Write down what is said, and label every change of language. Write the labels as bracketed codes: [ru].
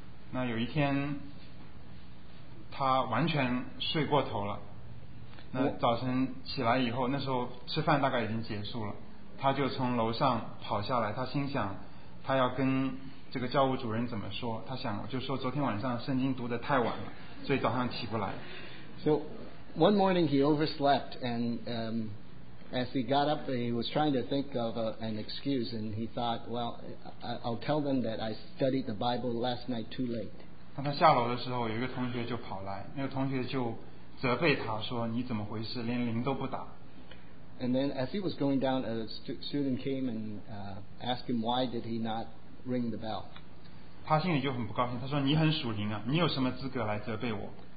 [zh] 那有一天他完全睡过头了，那早晨起来以后，那时候吃饭大概已经结束了，他就从楼上跑下来，他心想他要跟这个教务主任怎么说，他想就说昨天晚上圣经读得太晚了，所以早上起不来。 [en] So one morning he overslept and as he got up he was trying to think of an excuse and he thought, well, I'll tell them that I studied the Bible last night too late. [zh] 当他下楼的时候，有一个同学就跑来，那个同学就责备他说你怎么回事，连铃都不打。 [en] And then as he was going down, a student came and asked him why did he not ring the bell. [zh] 他心里就很不高兴，他说你很属灵啊，你有什么资格来责备我。